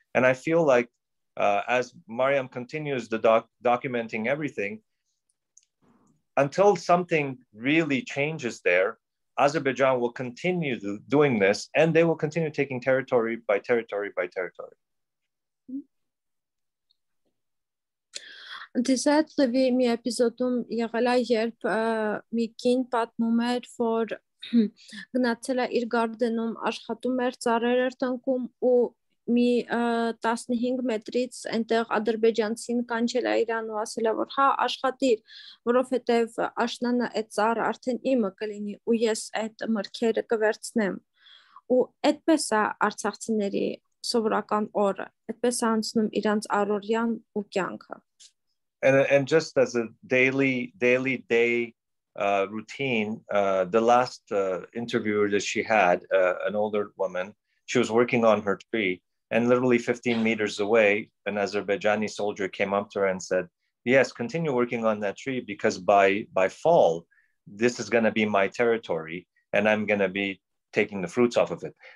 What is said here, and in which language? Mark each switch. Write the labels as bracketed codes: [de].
[en] And I feel like as Mariam continues the documenting everything, until something really changes there, Azerbaijan will continue doing this, and they will continue taking territory by territory by territory. [hy] Դիսատը մի էպիզոդում եղել է, երբ մի քին պատմում էր, որ գնացել է իր գարդենում, աշխատում էր, ծառեր էր տնկում, ու մի 15 մետրից այնտեղ ադրբեջանցին կանչել է իրան ու ասել է, որ հա, աշխատիր, որովհետև աշնանը այդ ծառը արդեն իմը կլինի, ու ես այդ մրգերը կվերցնեմ, ու այդպես է արցախցիների սովորական օրը, այդպես է անցնում իրանց առօրյան ու կյանքը. [en] And just as a daily routine, the last interviewer that she had, an older woman, she was working on her tree, and literally 15 meters away, an Azerbaijani soldier came up to her and said, "Yes, continue working on that tree, because by fall, this is going to be my territory, and I'm going to be taking the fruits off of it."